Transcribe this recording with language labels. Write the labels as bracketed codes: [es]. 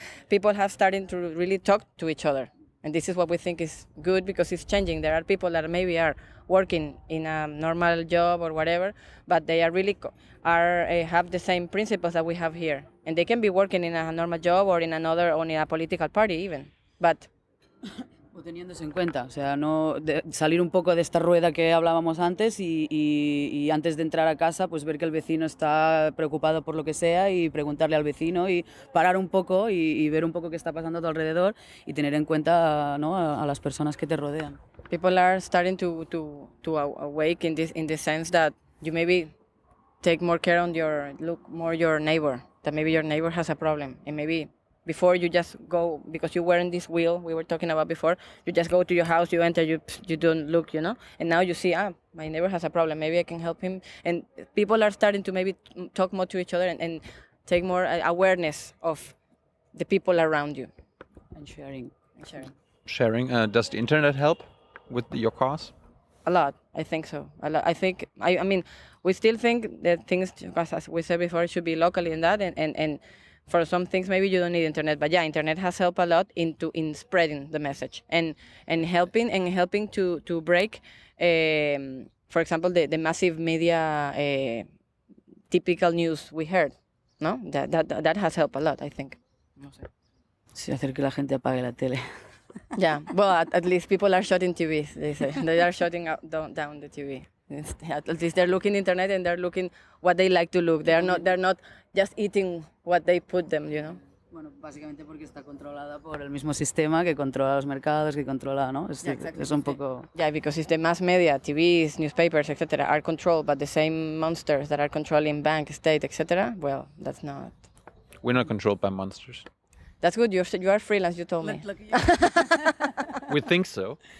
[en] People have started to really talk to each other. And this is what we think is good, because it's changing. There are people that maybe are working in a normal job or whatever, but they are really have the same principles that we have here. And they can be working in a normal job or in another, or in a political party even. But [es] O teniéndose en cuenta, o sea, no de salir un poco de esta rueda que hablábamos antes y antes de entrar a casa, pues ver que el vecino está preocupado por lo que sea y preguntarle al vecino y parar un poco y ver un poco qué está pasando a tu alrededor y tener en cuenta, ¿no?, a las personas que te rodean. [en] People are starting to awake in this sense that you maybe take more care on your, look more your neighbor, that maybe your neighbor has a problem, and maybe before you just go, because you were in this wheel we were talking about before, you just go to your house, you enter, you don't look, you know, and now you see, ah, my neighbor has a problem, maybe I can help him. And people are starting to maybe talk more to each other and take more awareness of the people around you. And sharing. Sharing. Does the internet help with your cause? A lot, I think so. I mean, we still think that things, as we said before, should be locally and that, and for some things maybe you don't need internet, but yeah, internet has helped a lot in spreading the message and helping to break, for example, the massive media typical news we heard, no? That has helped a lot, I think. [es] No sé. Sí, hacer que la gente apague la tele. [en] Yeah, well, at least people are shutting TVs, they say. They are shutting down the TV. At least they're looking internet and they're looking what they like to look. They're not just eating what they put them, you know? [es] Bueno, básicamente porque está controlada por el mismo sistema que controla los mercados, que controla, ¿no? [en] Yeah, exactly. [es] Es un poco... [en] Yeah, because it's the mass media, TVs, newspapers, etc. are controlled by the same monsters that are controlling bank, state, etc. Well, that's not... We're not controlled by monsters. That's good. You are freelance, you told me. We think so.